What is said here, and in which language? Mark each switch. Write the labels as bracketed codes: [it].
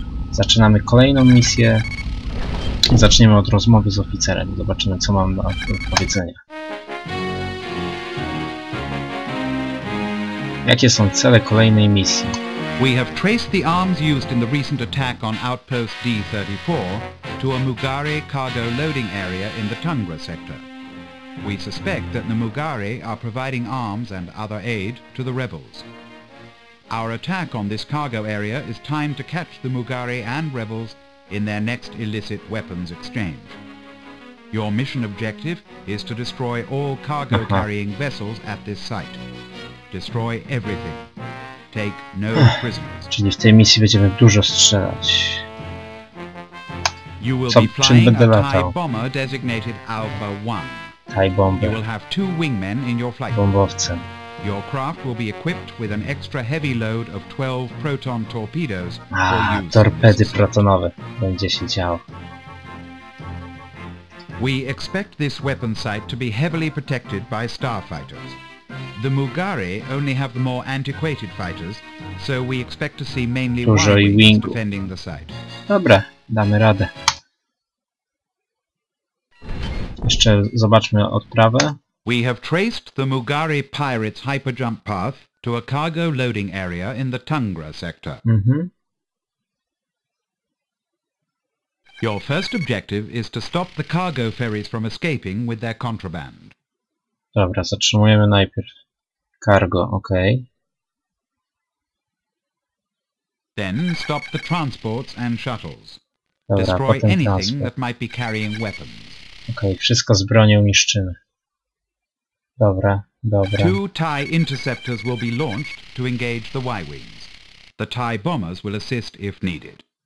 [pl] Zaczynamy kolejną misję. Zaczniemy od rozmowy z oficerem. Zobaczymy, co mam do powiedzenia. Jakie są cele kolejnej misji? [en] We have traced the arms used in the recent attack on Outpost D-34 to a Mugari cargo loading area in the Tundra sector. We suspect that the Mugari are providing arms and other aid to the rebels. Our attack on this cargo area is timed to catch the Mugari and rebels in their next illicit weapons exchange. Your mission objective is to destroy all cargo carrying vessels at this site. Destroy everything. Take no prisoners. [pl] Czyli w tej misji będziemy dużo strzelać. [en] You will be flying a TIE bomber designated Alpha 1. Bomber. You will have two wingmen in your flight. [pl] Bombowcem. [en] Your craft will be equipped with an extra heavy load of 12 proton torpedoes. [pl] A, torpedy protonowe. Będzie się działo. [en] We expect this weapon site to be heavily protected by starfighters. The Mugari only have the more antiquated fighters, so we expect to see mainly Y-wings defending the site. [pl] Dobra, damy radę. Jeszcze zobaczmy odprawę. [en] We have traced the Mugari pirate's hyperjump path to a cargo loading area in the Tundra sector. Mhm. Your first objective is to stop the cargo ferries from escaping with their contraband. [pl] Dobra, zatrzymujemy najpierw cargo, okej. [en] Then stop the transports and shuttles. [pl] Dobra, [en] destroy [pl] potem [en] anything [pl] transport. [en] That might be carrying weapons. [pl] Okej, wszystko z bronią niszczymy. Dobra, dobra. [en] Two TIE interceptors will be launched to engage the Y-wings. The TIE bombers will assist if needed.